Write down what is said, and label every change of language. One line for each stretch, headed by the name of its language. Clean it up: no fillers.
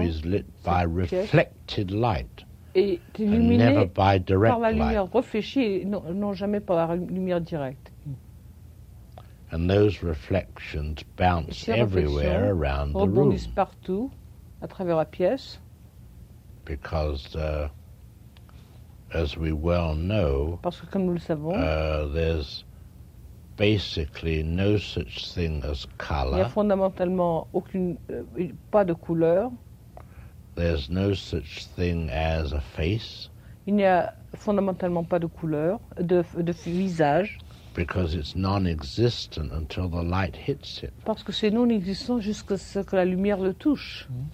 English: is lit by reflected light,
French: est illuminée
English: and never by direct
French: par la lumière
English: light.
French: Réfléchie, non jamais par la lumière directe.
English: And those reflections bounce everywhere around the room.
French: Rebondissent partout, à travers la pièce.
English: Because as we well know,
French: parce que comme nous le savons,
English: there's basically no such thing as color.
French: Il y a fondamentalement aucune pas de couleur.
English: There's no such thing as a face.
French: Il n'y a fondamentalement pas de couleur de visage.
English: Because it's non-existent until the light hits it.
French: Parce que c'est non existant jusqu'à ce que la lumière le touche.